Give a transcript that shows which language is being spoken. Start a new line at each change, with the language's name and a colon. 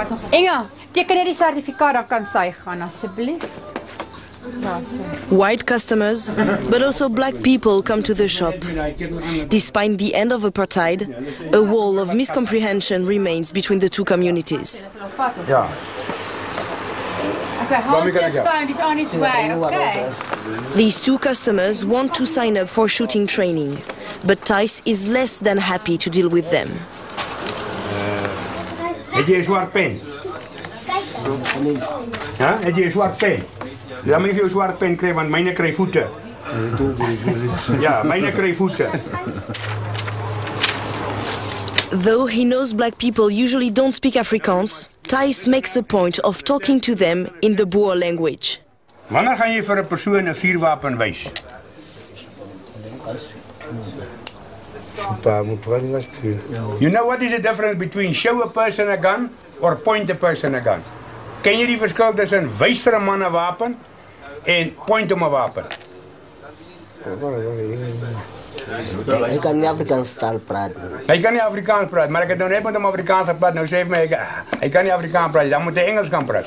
Afrikaans: Inga, teken die sertifikaat, kan sy gaan asseblief.
English: White customers, but also black people come to the shop. Despite the end of apartheid, a wall of miscomprehension remains between the two communities. Yeah. Okay, hold his phone, he's on his way, okay? These two customers want to sign up for shooting training, but Thijs is less than happy to deal with them.
Afrikaans: Heb jy 'n swart pen? Ja, heb jy 'n swart pen? Laat my vir jou 'n swart pen kry, want myne kry voete. Ja, myne kry voete.
English: Though he knows black people usually don't speak Afrikaans, Thijs makes a point of talking to them in the Boer language.
Afrikaans: Wanneer gaan jy vir 'n persoon 'n vuurwapen wys?
English: You know what is the difference between show a person a gun or point a person a gun?
Afrikaans: Ken jy die verskil tussen wys vir 'n man 'n wapen en point hom 'n wapen? Hy kan nie Afrikaans taal praat. Hy kan nie Afrikaans praat, maar ek het nou net met hom Afrikaans gepraat. Nou sê hy my, hy kan nie Afrikaans praat, dan moet hy Engels kan praat.